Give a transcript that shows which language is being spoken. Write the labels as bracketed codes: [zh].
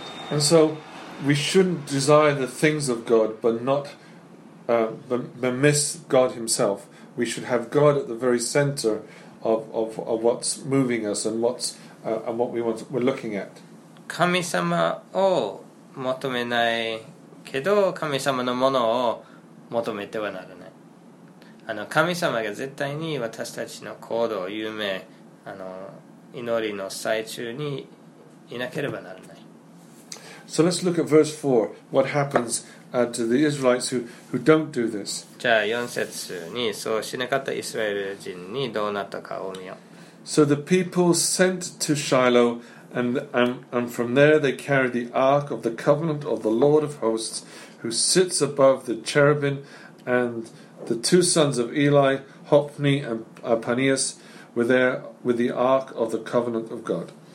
[en] And so we shouldn't desire the things of God but not but miss God himselfWe should have God at the very center of what's moving us and what's and what we're looking at. [ja] 神様を求めないけど、神様のものを求めてはならない。神様が絶対に私たちの行動、夢、祈りの最中にいなければならない。 [en] So let's look at verse 4, what happens to the Israelites who don't do this. [ja] じゃあ4節にそうしなかったイスラエル人にどうなったかを見よう。 [en] So the people sent to Shiloh, and from there they carried the ark of the covenant of the Lord of hosts, who sits above the cherubim, and the two sons of Eli, Hophni and Phinehas, were there with the ark of the covenant of God.